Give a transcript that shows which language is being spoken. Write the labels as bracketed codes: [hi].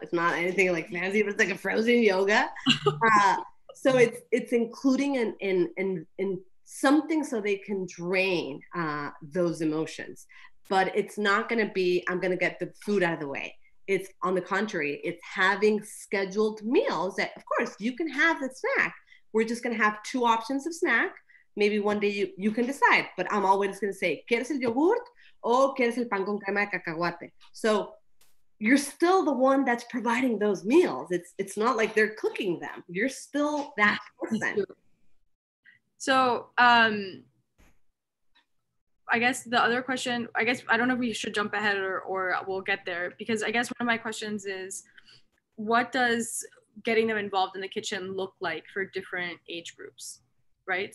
[en] It's not anything like fancy, but it's like a frozen yoga. So it's including in something so they can drain those emotions, but it's not going to be, I'm going to get the food out of the way. It's on the contrary, it's having scheduled meals that, of course, you can have the snack. We're just going to have 2 options of snack. Maybe one day you can decide, but I'm always going to say, [es] ¿Quieres el yogurt? ¿O quieres el pan con crema de cacahuate? [en] So you're still the one that's providing those meals. It's not like they're cooking them. You're still that person. So I guess the other question, I guess, I don't know if we should jump ahead or we'll get there, because I guess one of my questions is, what does getting them involved in the kitchen look like for different age groups, right?